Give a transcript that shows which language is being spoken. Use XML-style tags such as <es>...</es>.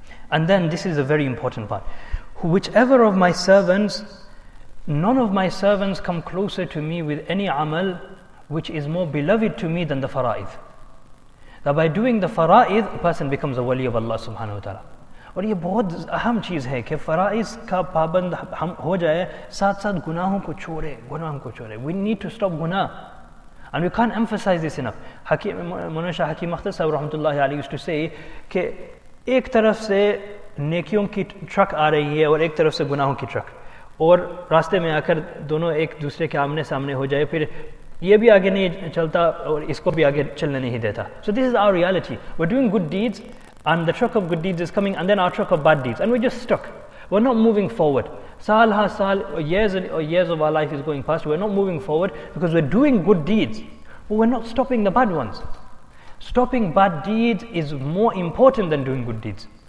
<en>And then this is a very important part. Whichever of my servants, none of my servants come closer to me with any amal which is more beloved to me than the fara'id. That by doing the fara'id, a person becomes a wali of Allah subhanahu wa ta'ala.</en> <ur>اور یہ بہت اہم چیز ہے کہ فرائض کا پابند ہم ہو جائے ساتھ ساتھ گناہوں کو چھوڑے گناہوں کو چھوڑے</ur> <en>we need to stop guna and we can't emphasize this enough.</en> <ur>منوشا حکیم اختر صاحب رحمت اللہ علیہ</ur> <en>used to say</en> <ur>کہ ایک طرف سے نیکیوں کی ٹرک آ رہی ہے اور ایک طرف سے گناہوں کی ٹرک اور راستے میں آ کر دونوں ایک دوسرے کے آمنے سامنے ہو جائے پھر یہ بھی آگے نہیں چلتا اور اس کو بھی آگے چلنے نہیں دیتا.</ur> <en>So this is our reality. We're doing good deeds and the truck of good deeds is coming and then our truck of bad deeds and we're just stuck. We're not moving forward.</en> <ur>Sal ha sal,</ur> <en>years of our life is going past. We're not moving forward because we're doing good deeds. But we're not stopping the bad ones. Stopping bad deeds is more important than doing good deeds.</en>